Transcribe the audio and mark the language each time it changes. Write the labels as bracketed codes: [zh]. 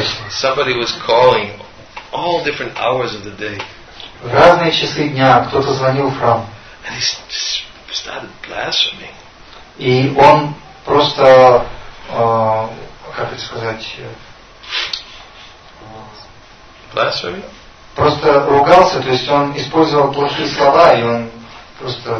[en] Somebody was calling all different hours of the day. [ru] В разные часы дня кто-то звонил в храм. [en] And he started blaspheming. [ru] И он просто, как это сказать, [en] blaspheming? [ru] Просто ругался, то есть он использовал плохие слова, и он просто.